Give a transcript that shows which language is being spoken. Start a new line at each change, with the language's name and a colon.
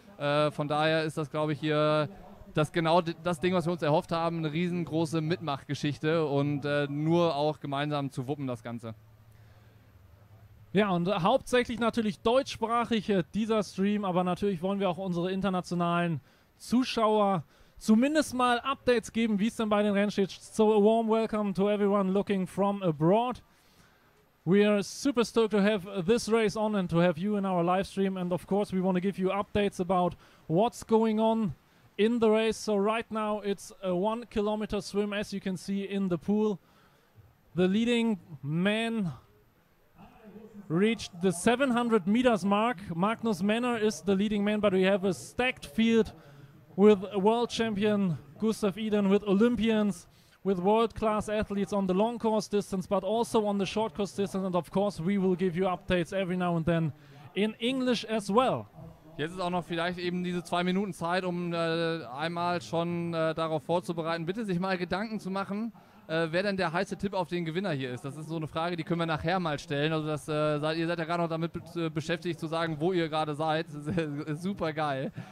German: Von daher ist das, glaube ich, hier das genau das Ding, was wir uns erhofft haben, eine riesengroße Mitmachgeschichte und nur auch gemeinsam zu wuppen das Ganze. Ja, und hauptsächlich natürlich deutschsprachig dieser Stream, aber natürlich wollen wir auch unsere internationalen Zuschauer zumindest mal Updates geben, wie es denn bei den Rennen steht.
English: So, a warm welcome to everyone looking from abroad. We are super stoked to have this race on and to have you in our live stream. And of course, we want to give you updates about what's going on in the race. So right now it's a 1 kilometer swim, as you can see in the pool. The leading man reached the 700 meters mark. Magnus Männer is the leading man, but we have a stacked field with world champion Gustav Iden, with Olympians, with world-class athletes on the long course distance, but also on the short course distance. And of course, we will give you updates every now and then in English as well.
German: Jetzt ist auch noch vielleicht eben diese 2 Minuten Zeit, um einmal schon darauf vorzubereiten, bitte sich mal Gedanken zu machen, wer denn der heiße Tipp auf den Gewinner hier ist. Das ist so eine Frage, die können wir nachher mal stellen. Also das, ihr seid ja gerade noch damit beschäftigt zu sagen, wo ihr gerade seid. Super geil.